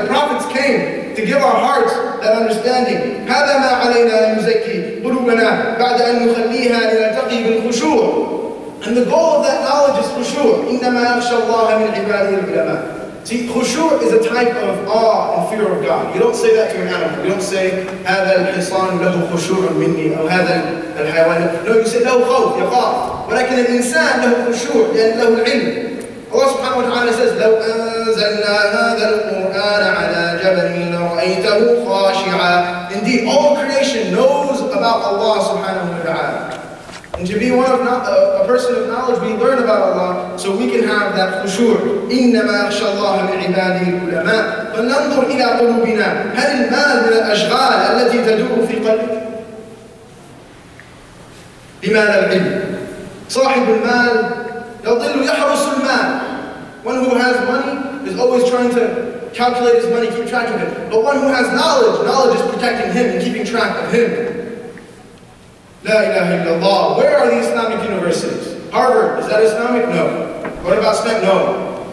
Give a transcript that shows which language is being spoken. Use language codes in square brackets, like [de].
[en] The prophets came to give our hearts that understanding. [ar] هَذَا مَا عَلَيْنَا يُزَكِّي قُلُوبَنَا بَعْدَ أَنْ نُخَلِّيهَا لِنَتَقِي بِالْخُشُوعِ. [en] And the goal of that knowledge is khushu'. [ar] إِنَّمَا يَخْشَى اللَّهَ مِنْ عِبَادِهِ الْعُلَمَاءِ. [en] See, khushu' is a type of awe and fear of God. You don't say that to an animal. You don't say, [ar] هَذَا الْحِصَانُ لَهُ خُشُوعٌ مِنِّي أَوْ هَذَا الْحَيَوَانِ. [en] No, you say, [ar] لَهُ خَوْفٌ يَخَافُ. ولكن الإنسان له خشوع لأن له العلم. [en] Allah subhanahu wa ta'ala says, [ar] لَوْ أَنزَلْنَا هَذَا الْقُرْآنَ عَلَى جَبَلٍ لَرَأَيْتَهُ خَاشِعًا. [en] Indeed, all creation knows about Allah subhanahu wa ta'ala. And to be a person of knowledge, we learn about Allah so we can have that khushu'. [ar] إِنَّمَا يَخْشَى اللَّهَ مِنْ عِبَادِهِ الْعُلَمَاءِ فَلْنَنْظُرْ إِلَىٰ قُلُوبِنَا هَلْ الْمَالُ مِنَ الْأَشْغَالِ الَّتِي تَدُورُ فِي قَلْبِكَ بِمَالَ الْعِلْمِ. صاحب المال يضل يحرس المال. [en] One who has money is always trying to calculate his money, keep track of it. But one who has knowledge is protecting him and keeping track of him. La ilaha illallah. Where are the Islamic universities? Harvard, is that Islamic? No. What about Spain? No.